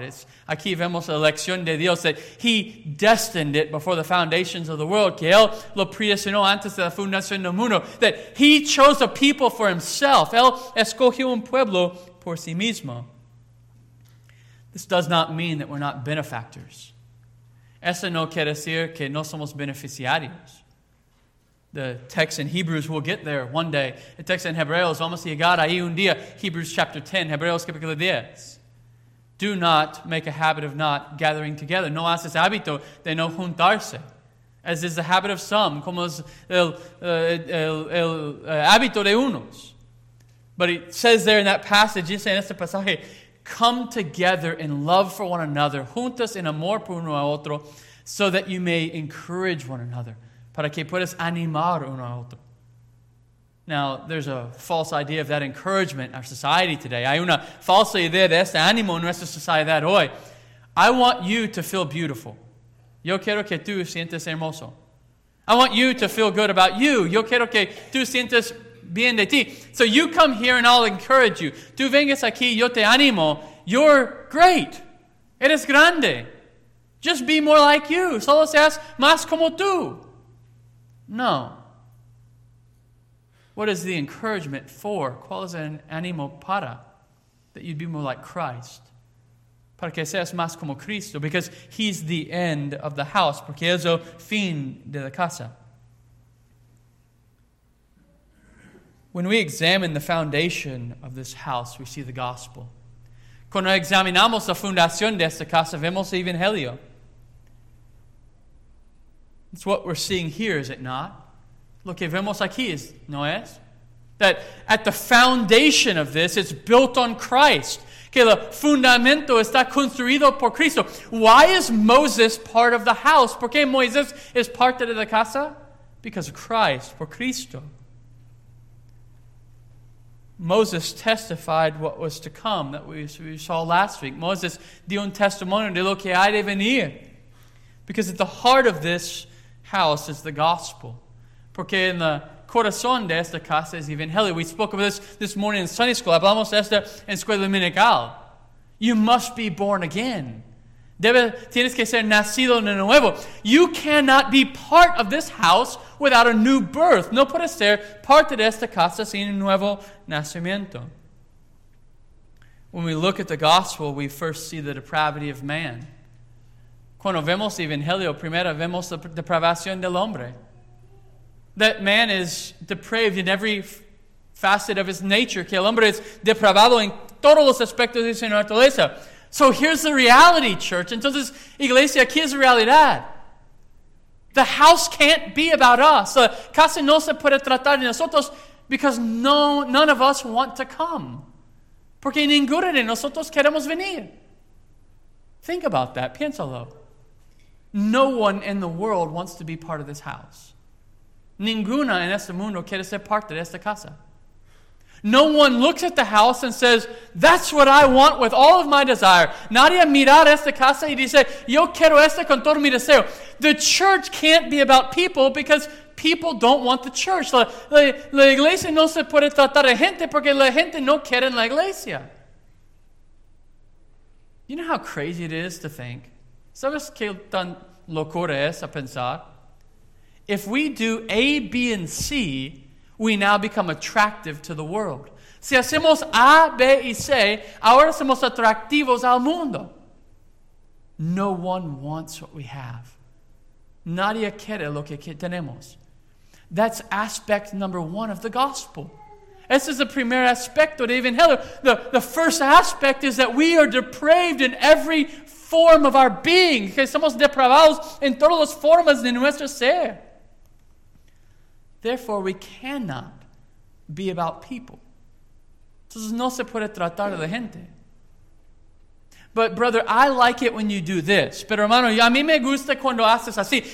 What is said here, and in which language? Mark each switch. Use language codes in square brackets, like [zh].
[es] Aquí vemos la elección de Dios, [en] that He destined it before the foundations of the world, [es] que Él lo predestinó antes de la fundación del mundo, [en] that He chose a people for Himself. [es] Él escogió un pueblo por sí mismo. [en] This does not mean that we're not benefactors. [es] Eso no quiere decir que no somos beneficiarios. [en] The text in Hebrews will get there one day. The text in Hebreos, [es] vamos a llegar ahí un día. [en] Hebrews chapter 10, [es] Hebreos capítulo 10. [en] Do not make a habit of not gathering together. [es] No haces hábito de no juntarse. [en] As is the habit of some, [es] como es el hábito de unos. [en] But it says there in that passage, [es] dice en este pasaje, [en] come together in love for one another, [es] juntos en amor por uno a otro, [en] so that you may encourage one another, [es] para que puedas animar uno a otro. [en] Now, there's a false idea of that encouragement in our society today. [es] Hay una falsa idea de este ánimo en nuestra sociedad hoy. [en] I want you to feel beautiful. [es] Yo quiero que tú sientes hermoso. [en] I want you to feel good about you. [es] Yo quiero que tú sientes bien de ti. [en] So you come here and I'll encourage you. [es] Tú vengas aquí, yo te animo. [en] You're great. [es] Eres grande. [en] Just be more like you. [es] Solo seas más como tú. No. [en] What is the encouragement for? [es] ¿Cuál es el ánimo para? [en] That you'd be more like Christ. [es] Para que seas más como Cristo. [en] Because He's the end of the house. [es] Porque es el fin de la casa. [en] When we examine the foundation of this house, we see the gospel. [es] Cuando examinamos la fundación de esta casa, vemos el evangelio. [en] It's what we're seeing here, is it not? [es] Lo que vemos aquí es, ¿no es? [en] That at the foundation of this, it's built on Christ. [es] Que el fundamento está construido por Cristo. [en] Why is Moses part of the house? [es] ¿Por qué Moisés es parte de la casa? [en] Because of Christ, [es] por Cristo. [en] Moses testified what was to come, that we saw last week. [es] Moses dio un testimonio de lo que ha de venir. [en] Because at the heart of this house is the gospel. [es] Porque en el corazón de esta casa es evangelio. [en] We spoke of this morning in Sunday school. [es] Hablamos de esto en escuela dominical. [en] You must be born again. [es] Tienes que ser nacido de nuevo. [en] You cannot be part of this house without a new birth. [es] No puedes ser parte de esta casa sin un nuevo nacimiento. [en] When we look at the gospel, we first see the depravity of man. [es] Cuando vemos el evangelio, primero vemos la depravación del hombre. [en] That man is depraved in every facet of his nature. [es] Que el hombre es depravado en todos los aspectos de su naturaleza. [en] So here's the reality, church. [es] Entonces, iglesia, aquí es realidad. [en] The house can't be about us. [es] La casa no se puede tratar de nosotros [en] because none of us want to come. [es] Porque ninguno de nosotros queremos venir. [en] Think about that. [es] Piénsalo. [en] No one in the world wants to be part of this house. [es] Ninguna en este mundo quiere ser parte de esta casa. [en] No one looks at the house and says, that's what I want with all of my desire. [es] Nadie mira esta casa y dice, yo quiero esta con todo mi deseo. [en] The church can't be about people because people don't want the church. [es] La iglesia no se puede tratar de gente porque la gente no quiere la iglesia. [en] You know how crazy it is to think? [es] ¿Sabes qué tan locura es a pensar? [en] If we do A, B, and C, we now become attractive to the world. [es] Si hacemos A, B, y C, ahora somos atractivos al mundo. [en] No one wants what we have. [es] Nadie quiere lo que tenemos. [en] That's aspect number one of the gospel. [es] Ese es el primer aspecto de Evangelio. [en] The first aspect is that we are depraved in every form of our being. [es] Que somos depravados en todas las formas de nuestro ser. [en] Therefore, we cannot be about people. [es] Entonces, no se puede tratar de la gente. [en] But, brother, I like it when you do this. [es] Pero, hermano, a mí me gusta cuando haces así.